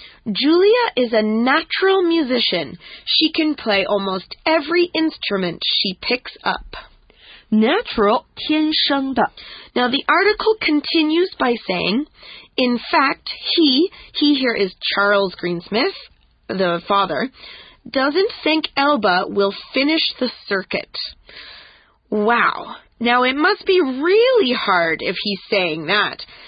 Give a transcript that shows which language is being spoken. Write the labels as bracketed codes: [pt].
[en] Julia is a natural musician. She can play almost every instrument she picks up. [zh] Natural, 天生的。 [en] Now, the article continues by saying, in fact, he here is Charles Greensmith, the father, doesn't think Elba will finish the circuit. Wow. Now, it must be really hard if he's saying that.